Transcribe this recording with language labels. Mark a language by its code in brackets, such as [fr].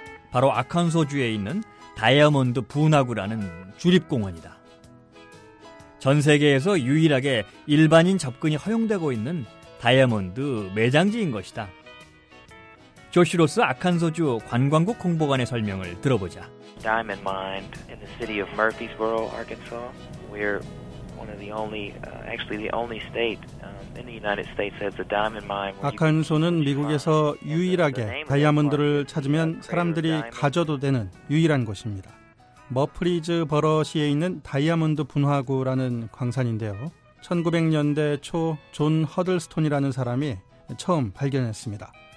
[ko] 바로 아칸소주에 있는 다이아몬드 분화구라는 주립공원이다. 전 세계에서 유일하게 일반인 접근이 허용되고 있는 다이아몬드 매장지인 것이다. 조시로스 아칸소주 관광국 홍보관의 설명을 들어보자. [en] Diamond mine in the city of Murfreesboro, Arkansas. We're one of the only, actually the only state in the United States that has a diamond mine. [ko] 아칸소는 미국에서 유일하게 다이아몬드를 찾으면 사람들이 가져도 되는 유일한 곳입니다. 머프리즈버러 시에 있는 다이아몬드 분화구라는 광산인데요. 1900년대 초 존 허들스톤이라는 사람이 처음 발견했습니다.